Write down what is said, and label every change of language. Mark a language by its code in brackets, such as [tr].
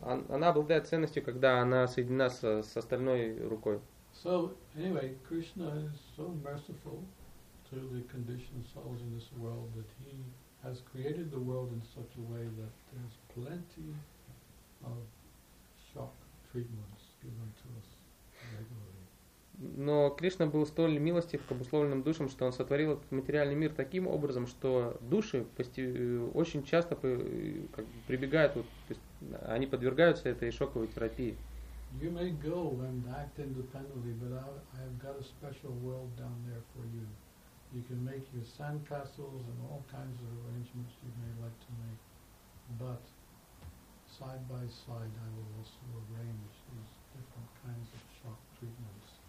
[ru] Она обладает ценностью, когда она соединена с остальной рукой. [en] So, anyway, Krishna is so merciful to the conditioned souls in this world that he has created the world in such a way that there's plenty of shock treatments given to us regularly. [ru] Но Кришна был столь милостив к обусловленным душам, что он сотворил этот материальный мир таким образом, что души очень часто как бы прибегают, вот, то есть они подвергаются этой шоковой терапии. [en] You may go and act independently, but I have got a special world down there for you. You can make your sandcastles and all kinds of arrangements you may like to make, but side by side I will also arrange these different kinds of shock treatments.